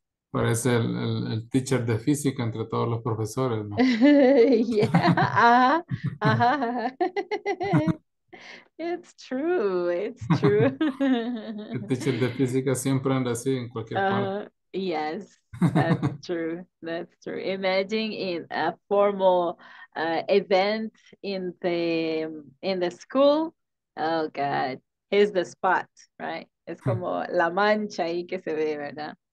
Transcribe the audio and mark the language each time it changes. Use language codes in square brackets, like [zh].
[es] Parece el teacher de física entre todos los profesores, ¿no? [en] Yeah. Uh-huh. It's true. It's true. [es] El teacher de física siempre anda así en cualquier parte. [en] Yes, that's true. That's true. Imagine in a formal event in the school. Oh God, here's the spot, right? [es] Es como la mancha ahí que se ve, ¿verdad?